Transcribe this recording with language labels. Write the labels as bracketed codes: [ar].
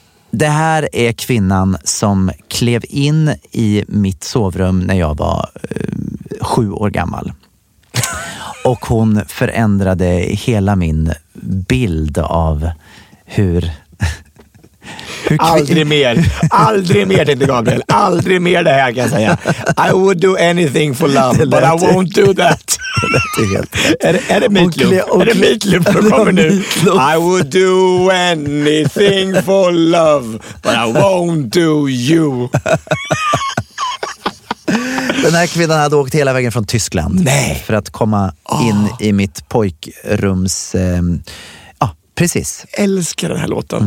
[sv] Det här är kvinnan som klev in i mitt sovrum när jag var 7 år gammal. Och hon förändrade hela min bild av hur... Aldrig mer, tänkte Gabriel. Aldrig mer det här, kan jag säga. [en] I would do anything for love, but I won't do that. [sv] Det är helt är det meatloaf? Är det meatloaf för kommer nu? [en] I would do anything for love, but I won't do you. [sv] Den här kvinnan hade åkt hela vägen från Tyskland. Nej. För att komma in i mitt pojkrums... ja, precis. Jag älskar den här låten.